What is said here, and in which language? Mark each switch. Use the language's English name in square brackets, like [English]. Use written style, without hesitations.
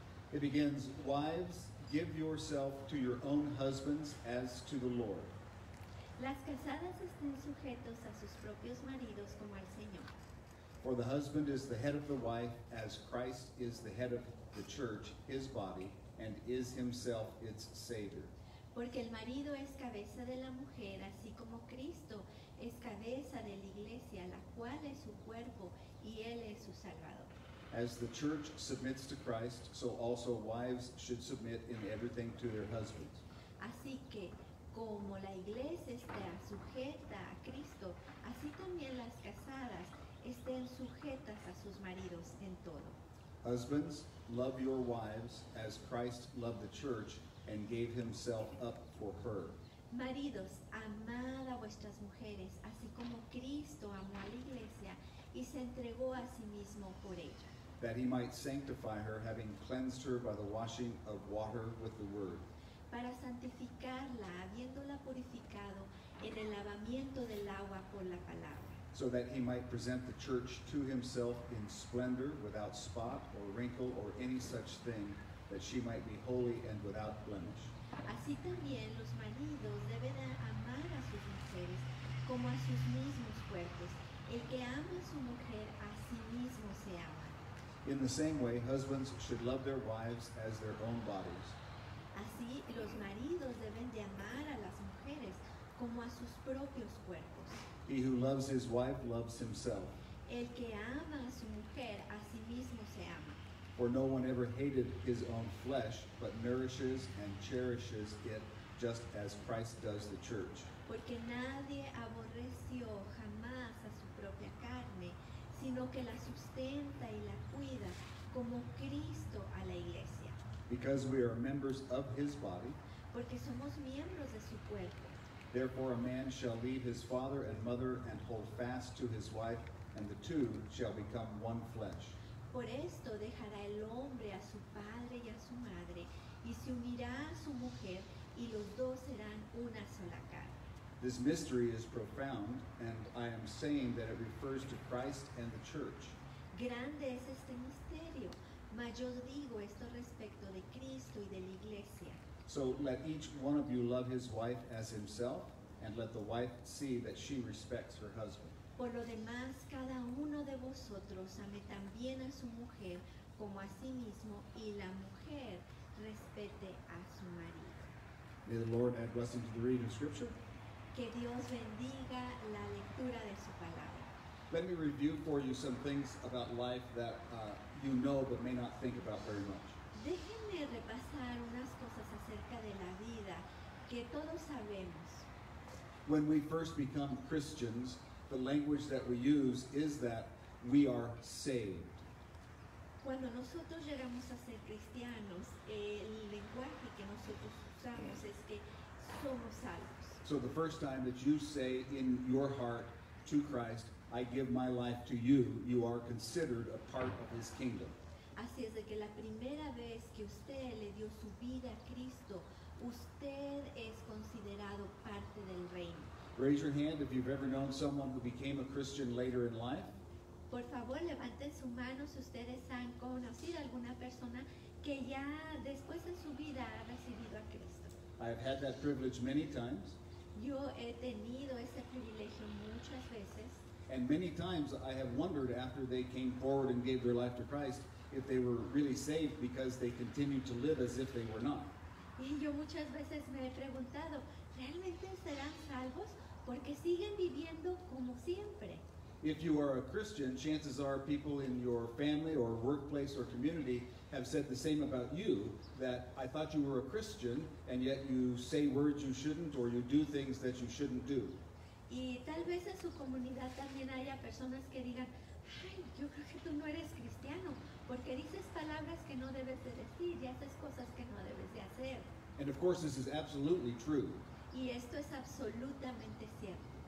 [English] It begins, wives, give yourself to your own husbands as to the Lord. [Spanish] Las casadas estén sujetos a sus propios maridos como al Señor. [English] For the husband is the head of the wife, as Christ is the head of the church, his body, and is himself its Savior. [Spanish] Porque el marido es cabeza de la mujer, así como Cristo es cabeza de la iglesia, la cual es su cuerpo, y él es su salvador. [English] As the church submits to Christ, so also wives should submit in everything to their husbands. [Spanish] Así que, como la iglesia está sujeta a Cristo, así también las casadas estén sujetas a sus maridos en todo. [English] Husbands, love your wives as Christ loved the church and gave himself up for her. [Spanish] Maridos, amad a vuestras mujeres, así como Cristo amó a la iglesia y se entregó a sí mismo por ella. [English] That he might sanctify her, having cleansed her by the washing of water with the word. [Spanish] Para santificarla, habiéndola purificado en el lavamiento del agua por la palabra. [English] So that he might present the church to himself in splendor, without spot or wrinkle or any such thing, that she might be holy and without blemish. [Spanish] Así también los maridos deben amar a sus mujeres como a sus mismos cuerpos. El que ama a su mujer, a sí mismo se ama. [English] In the same way, husbands should love their wives as their own bodies. [Spanish] Así los maridos deben de amar a las mujeres como a sus propios cuerpos. [English] He who loves his wife loves himself. [Spanish] El que ama a su mujer, a sí mismo se ama. [English] For no one ever hated his own flesh, but nourishes and cherishes it, just as Christ does the church. [Spanish] Porque nadie aborreció jamás a su propia carne, sino que la sustenta y la cuida como Cristo a la iglesia. [English] Because we are members of his body. [Spanish] Porque somos miembros de su cuerpo. [English] Therefore a man shall leave his father and mother and hold fast to his wife, and the two shall become one flesh. [Spanish] Por esto dejará el hombre a su padre y a su madre, y se unirá a su mujer, y los dos serán una sola carne. [English] This mystery is profound, and I am saying that it refers to Christ and the church. [Spanish] Grande es este misterio, mas yo digo esto respecto de Cristo y de la iglesia. [English] So let each one of you love his wife as himself, and let the wife see that she respects her husband. [Spanish] Por lo demás, cada uno de vosotros ame también a su mujer como a sí mismo, y la mujer respete a su marido. [English] May the Lord add blessing to the reading of Scripture. [Spanish] Que Dios bendiga la lectura de su palabra. [English] Let me review for you some things about life that you know but may not think about very much. [Spanish] Déjenme repasar unas cosas acerca de la vida que todos sabemos. [English] When we first become Christians, the language that we use is that we are saved. [Spanish] Cuando nosotros llegamos a ser cristianos, el lenguaje que nosotros usamos es que somos salvos. [English] So the first time that you say in your heart to Christ, I give my life to you, you are considered a part of his kingdom. [Spanish] Así es de que la primera vez que usted le dio su vida a Cristo, usted es considerado parte del reino. [English] Raise your hand if you've ever known someone who became a Christian later in life. [Spanish] Por favor, levanten su mano si ustedes han conocido alguna persona que ya después de su vida ha recibido a Cristo. [English] I have had that privilege many times. [Spanish] Yo he tenido ese privilegio muchas veces. [English] And many times I have wondered after they came forward and gave their life to Christ if they were really saved because they continued to live as if they were not. [Spanish] Y yo muchas veces me he preguntado, ¿realmente serán salvos? Porque siguen viviendo como siempre. [English] If you are a Christian, chances are people in your family or workplace or community have said the same about you, that I thought you were a Christian, and yet you say words you shouldn't or you do things that you shouldn't do. [Spanish] Y tal vez en su comunidad también haya personas que digan, ay, yo creo que tú no eres cristiano, porque dices palabras que no debes de decir y haces cosas que no debes de hacer. [English] And of course this is absolutely true. [Spanish] Y esto es absolutamente cierto.